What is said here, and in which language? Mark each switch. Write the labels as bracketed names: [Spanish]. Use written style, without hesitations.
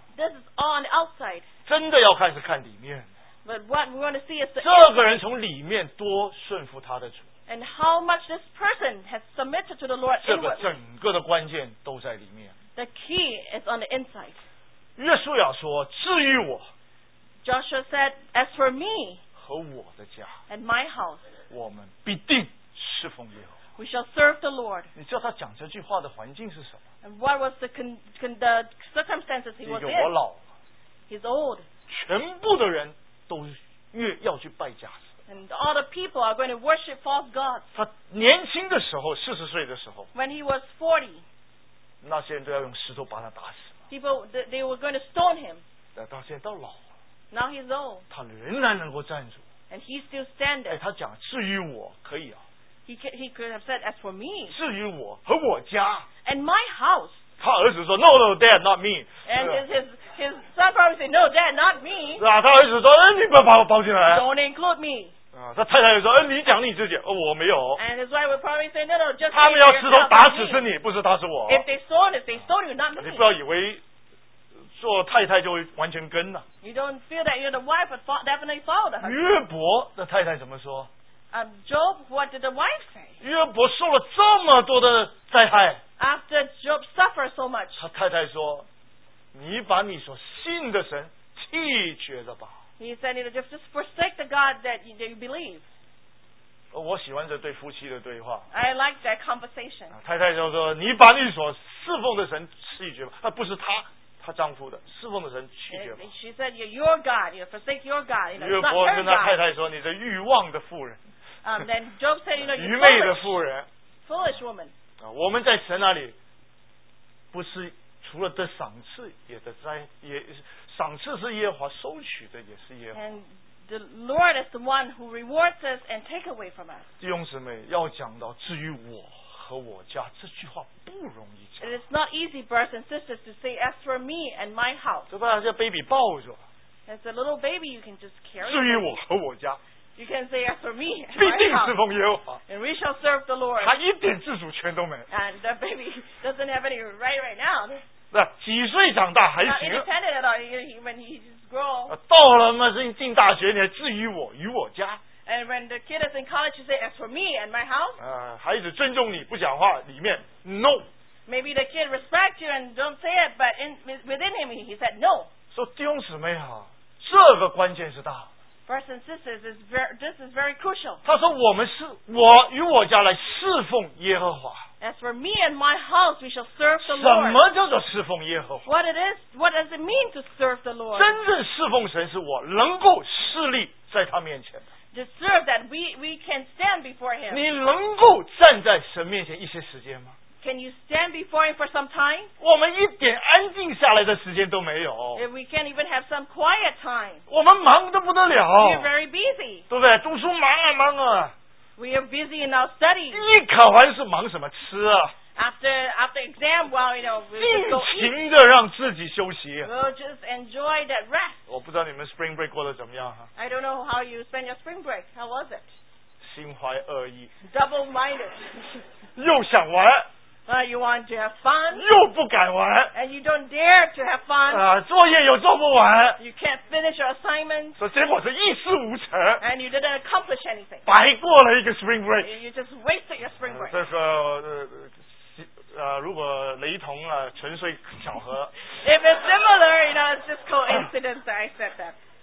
[English] This is all on the outside. [Chinese] 真的要开始看里面。 [English] But what we want to see is the [Chinese] 这个人从里面多顺服他的主。 [English] And how much this person has submitted to the Lord inwardly. [Chinese] 这个整个的关键都在里面。 [English] The key is on the inside. [Chinese] 约书亚说，至于我。 [English] Joshua said, as for me. [Chinese] 和我的家。 [English] And my house. [Chinese] 我们必定侍奉耶和华。 [English] We shall serve the Lord. [Chinese] 你知道他讲这句话的环境是什么？ [English] And what was the circumstances he was in? [Chinese] 一个我老。 [English] He's old. [Chinese] 全部的人都越要去拜假神。 [English] And all the people are going to worship false gods. [Chinese] 他年轻的时候，四十岁的时候。 [English] When he was 40. [Chinese] 那些人都要用石头把他打死。 [English] People, they were going to stone him. [Chinese] 但他现在到老了。 [English] Now he's old. [Chinese] 他仍然能够站住。 [English] And he's still standing. [Chinese] 哎，他讲至于我可以啊。 [English] He could have said, as for me. [Chinese] 至于我和我家。 [English] And my house. [Chinese] 他儿子说 [English] ，No, no, Dad, not me. And his son probably said, No, Dad, not me. [Chinese] 是啊，他儿子说，哎，你不要把我包进来。 [English] Don't include me. [Chinese] 啊，他太太就说，哎，你讲你自己，哦，我没有。 [English] And his wife would probably say, No, no, just. [Chinese] 他们要石头打死是你，不是打死我。 [English] If they stone, they stone you, not me. [Chinese] 你不要以为做太太就完全跟了。 [English] You don't feel that you're the wife, but definitely followed her. [Chinese] 约伯的太太怎么说？ [English] Job, what did the wife say? [Chinese] 约伯受了这么多的灾害。 [English] After Job suffered so much. [Chinese] 他太太说，你把你所信的神弃绝了吧。 [English] He said, you know, just forsake the God that you believe. [Chinese] 我喜欢这对夫妻的对话。 [English] I like that conversation. [Chinese] 太太就说，你把你所侍奉的神弃绝吧。不是他。他丈夫的侍奉的神弃绝吧。 [English] She said, "Your God, you forsake your God." [Chinese] 约伯跟他太太说：“你这欲望的妇人。” [English] Then Job said, "You know, [Chinese] 愚昧的妇人。” [English] Foolish woman. [Chinese] 我们在神那里，不是除了得赏赐，也得灾，也赏赐是耶和华，收取的也是耶和华。 [English] And the Lord is the one who rewards us and take away from us. [Chinese] 弟兄姊妹，要讲到至于我。和我家这句话不容易讲。 [English] It is not easy, brothers and sisters, to say as for me and my house. [Chinese] 就把这 baby 抱着。 [English] As a little baby, you can just carry. [Chinese] 至于我和我家。 [English] You can say as for me and my house. [Chinese] 必定侍奉耶和华。 [English] And we shall serve the Lord. [Chinese] 他一点自主权都没。 [English] And the baby doesn't have any right now. [Chinese] 那几岁长大还行。 [English] Not independent at all. When he just grow. [Chinese] 到了嘛，是进大学，你还至于我与我家。 [English] And when the kid is in college, you say, as for me and my house? [Chinese] 孩子尊重你不讲话里面 no. [English] Maybe the kid respects you and don't say it, but within him, he said no. [Chinese] So, 弟兄姊妹啊，这个关键是大。 [English] Brothers and sisters, this is very crucial. [Chinese] 他说我们是我与我家来侍奉耶和华。 [English] As for me and my house, we shall serve the Lord. [Chinese] 什么叫做侍奉耶和华？ [English] What does it mean to serve the Lord? [Chinese] 真正侍奉神是我能够侍立在他面前的。 [English] To serve that we can stand before him. [Chinese] 你能够站在神面前一些时间吗？ [English] Can you stand before him for some time? [Chinese] 我们一点安静下来的时间都没有。 [English] And we can't even have some quiet time. [Chinese] 我们忙得不得了。 [English] We're very busy. [Chinese] 对不对？读书忙啊忙啊。 [English] We are busy in our study. [Chinese] 一考完是忙什么？吃啊。 [English] After exam, well, you know, we'll just go eat. [Chinese] 尽情地让自己休息。 [English] We'll just enjoy that rest. [Chinese] 我不知道你们 spring break 过得怎么样哈。 [English] I don't know how you spent your spring break. How was it? [Chinese] 心怀恶意。 [English] Double-minded. [Chinese] 又想玩。 [English] You want to have fun. [Chinese] 又不敢玩。 [English] And you don't dare to have fun. [Chinese] 作业又做不完。 [English] You can't finish your assignment. [Chinese] 所以结果是一事无成。 [English] And you didn't accomplish anything. [Chinese] 白过了一个 spring break. [English] You just wasted your spring break. [Chinese] 这个如果雷同啊，纯粹巧合。 [English] If it's similar, you know, it's just coincidence that I said that.